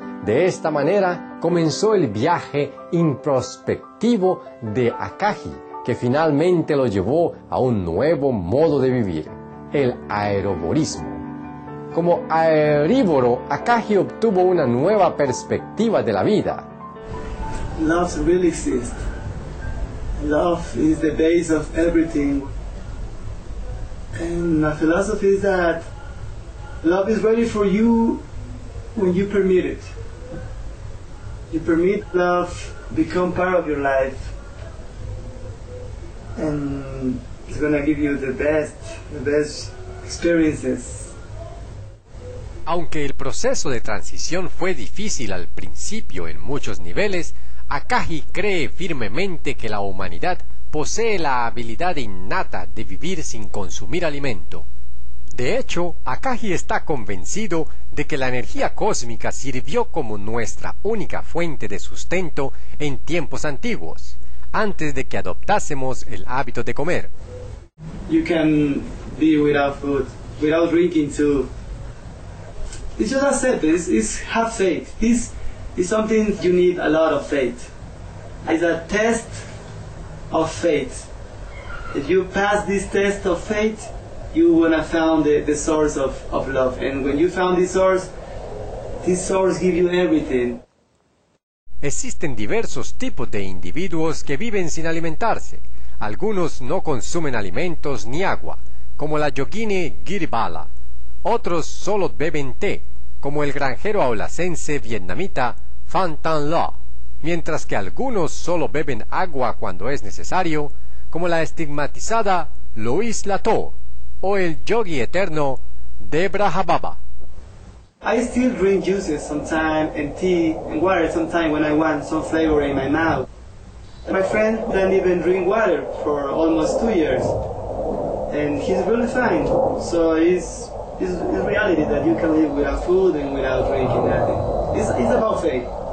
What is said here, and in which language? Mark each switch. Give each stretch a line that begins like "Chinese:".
Spanish: De esta manera comenzó el viaje introspectivo de Akagi, que finalmente lo llevó a un nuevo modo de vivir, el aeroborismo. Como aerívoro, Akagi obtuvo una nueva perspectiva de la vida.
English: Love really exists. Love is the base of everything. And my philosophy is that love is ready for you when you permit it. You permit love become part of your life. And it's gonna give you the best experiences.
Spanish: Aunque el proceso de transición fue difícil al principio en muchos niveles, Akagi cree firmemente que la humanidad posee la habilidad innata de vivir sin consumir alimento. De hecho, Akagi está convencido de que la energía cósmica sirvió como nuestra única fuente de sustento en tiempos antiguos, antes de que adoptásemos el hábito de comer.
English: You can be without food, without drinking too. It's just accepted, it's have faith. This is something you need a lot of faith. It's a test of faith. If you pass this test of faith, you wanna found the source of love. And when you found this source gives you everything.
Spanish: Existen diversos tipos de individuos que viven sin alimentarse. Algunos no consumen alimentos ni agua, como la yogini Giribala. Otros solo beben té, como el granjero aulacense vietnamita Phan Tan Lo, mientras que algunos solo beben agua cuando es necesario, como la estigmatizada Louise Lato o el yogi eterno Debra Hababa.
English: I still drink juices sometimes and tea and water sometimes when I want some flavor in my mouth. My friend doesn't even drink water for almost 2 years, and he's really fine. So it's reality that you can live without food and without drinking nothing. It's about faith.